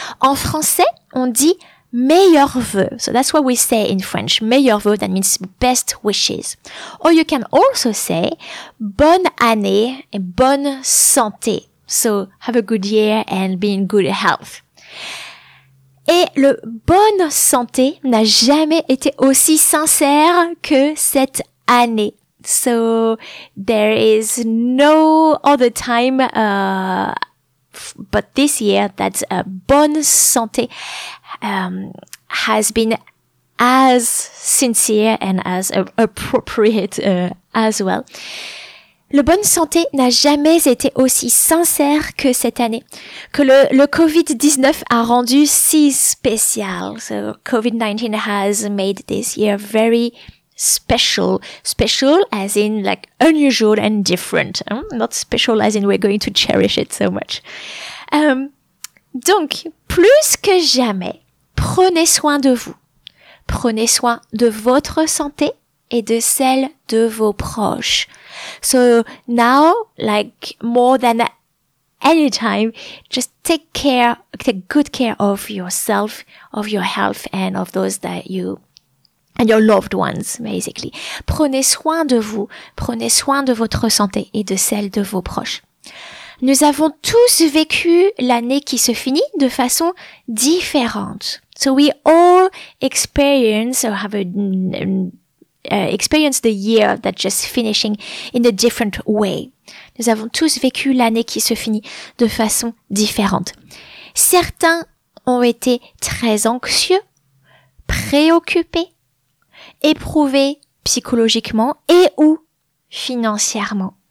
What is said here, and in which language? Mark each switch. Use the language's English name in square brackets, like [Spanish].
[French] En français, on dit meilleurs vœux. [English] So that's what we say in French. Meilleurs vœux, that means best wishes. Or you can also say [French] bonne année et bonne santé. [English] So have a good year and be in good health. [French] Et le bonne santé n'a jamais été aussi sincère que cette année. [English] So there is no other time but this year that bonne santé has been as sincere and as appropriate as well. [French] Le bonne santé n'a jamais été aussi sincère que cette année, que le COVID-19 a rendu si spécial. [English] So COVID-19 has made this year very special as in like unusual and different, not special as in we're going to cherish it so much. [French] Donc, plus que jamais, prenez soin de vous. Prenez soin de votre santé et de celle de vos proches. [English] So now, like more than any time, just take good care of yourself, of your health and of those that you, and your loved ones, basically. [French] Prenez soin de vous. Prenez soin de votre santé et de celle de vos proches. Nous avons tous vécu l'année qui se finit de façon différente. [English] So we all experienced the year that just finishing in a different way. [French] Nous avons tous vécu l'année qui se finit de façon différente. Certains ont été très anxieux, préoccupés, éprouvés psychologiquement et ou financièrement.